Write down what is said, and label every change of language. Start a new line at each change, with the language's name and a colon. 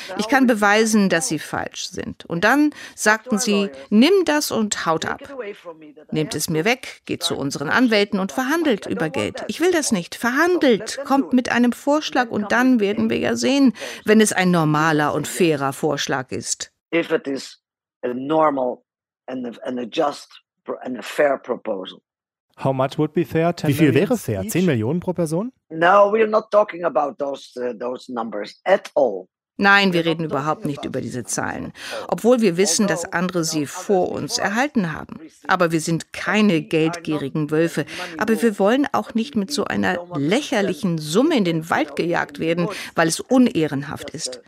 German: Ich kann beweisen, dass sie falsch sind. Und dann sagten sie, nimm das und haut ab. Nehmt es mir weg, geht zu unseren Anwälten und verhandelt über Geld. Ich will das nicht. Verhandelt, kommt mit einem Vorschlag und dann werden wir ja sehen, wenn es ein normaler und fairer Vorschlag ist.
English: If it is a normal and a just and a fair proposal. How much would be fair?
German: Wie viel wäre fair? 10 Millionen pro Person?
English: No, we are not talking about those numbers at all.
German: Nein, wir reden überhaupt nicht über diese Zahlen, obwohl wir wissen, dass andere sie vor uns erhalten haben. Aber wir sind keine geldgierigen Wölfe. Aber wir wollen auch nicht mit so einer lächerlichen Summe in den Wald gejagt werden, weil es unehrenhaft ist.